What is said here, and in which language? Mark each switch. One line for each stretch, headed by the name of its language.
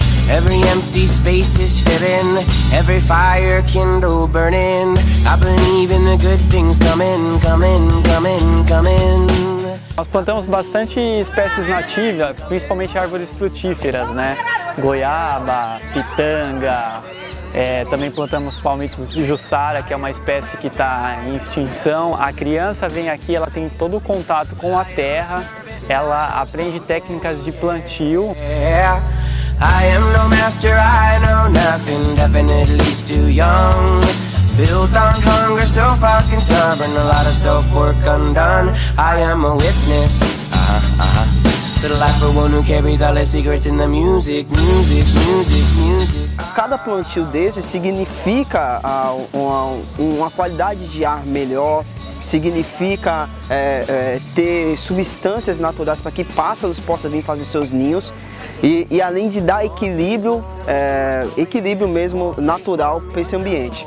English: Every empty space is filling, every fire kindle burning. I believe in the good things coming, coming, coming, coming.
Portuguese: Nós plantamos bastante espécies nativas, principalmente árvores frutíferas, né? Goiaba, pitanga, também plantamos palmitos de Jussara, que é uma espécie que está em extinção. A criança vem aqui, ela tem todo o contato com a terra, ela aprende técnicas de plantio.
English: I am no master, I know nothing, definitely still young. Built on hunger, so fucking stubborn, a lot of self-work undone. I am a witness, to the life of one who carries all the secrets in the music, music, music, music.
Portuguese: Cada plantio desse significa uma qualidade de ar melhor, significa ter substâncias naturais para que pássaros possam vir fazer seus ninhos. E além de dar equilíbrio, equilíbrio mesmo natural para esse ambiente.